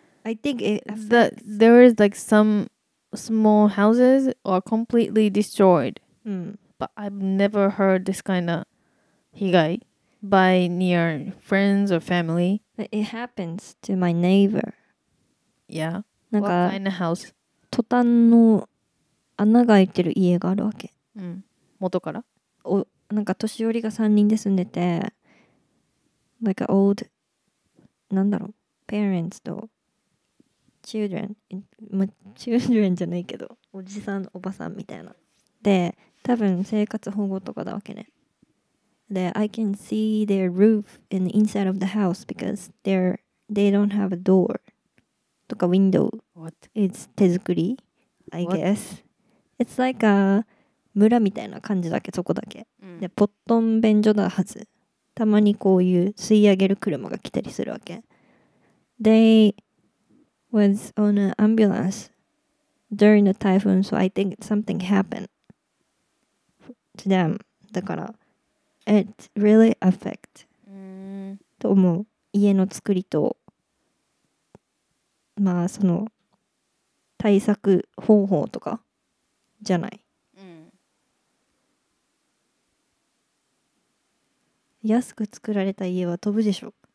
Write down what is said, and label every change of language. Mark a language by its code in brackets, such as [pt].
[en] yeah, I think there is like some small houses are completely destroyed. But I've never heard this kind of higai by near friends or family. But it happens to my neighbor. Yeah. What kind of house? [ja] トタンの穴が開いてる家があるわけ。元から？なんか年寄りが3人で住んでて、 [en] like an old, [ja] なんだろう。 Parents と children、ま、children じゃないけど、おじさん、おばさんみたいな。で、多分生活保護とかだわけね。 [en] で、I can see their roof in the inside of the house because they don't have a door とか window. What? It's 手作り、I guess. It's like a 村 [ja] みたいな感じだけ、そこだけ。で、ポットン便所だはず。たまにこういう吸い上げる車が来たりするわけ。 [en] They was on an ambulance during the typhoon, so I think something happened to them. [ja] だから [en] it really affect. [ja] と思う。家の作りと、まあその対策方法とかじゃない。安く作られた家は飛ぶでしょ。